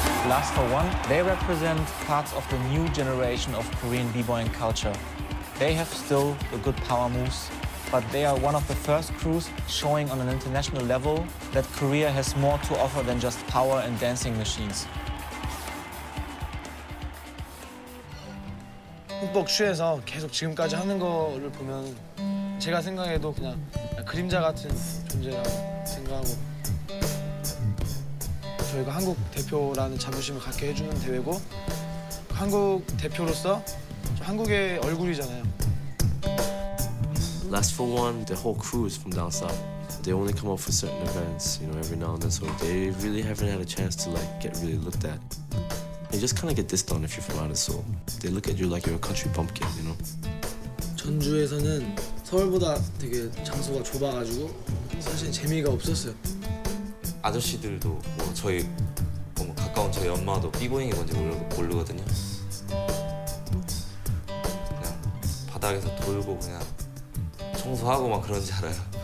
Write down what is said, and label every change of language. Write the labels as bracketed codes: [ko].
[en] Last for One, they represent parts of the new generation of Korean b-boying culture. They have still the good power moves, but they are one of the first crews showing on an international level that Korea has more to offer than just power and dancing machines. [ko] Hook 취해서 계속 지금까지 하는 거를 보면 제가 생각해도 그냥 그림자 같은 존재라고 생각하고 저희가 한국 대표라는 자부심을 갖게 해주는 대회고 한국 대표로서 한국의 얼굴이잖아요. [en] Last for One, the whole crew is from down south. They only come up for certain events, you know, every now and then, so they really haven't had a chance to, like, get really looked at. You just kind of get dissed on if you're from out of Seoul. They look at you like you're a country bumpkin, you know? [ko] 전주에서는 서울보다 되게 장소가 좁아가지고 사실 재미가 없었어요. 아저씨들도 뭐 저희 뭐 가까운 저희 엄마도 B-Boying이 뭔지 모르거든요. 그냥 바닥에서 돌고 그냥 청소하고 막 그런지 알아요.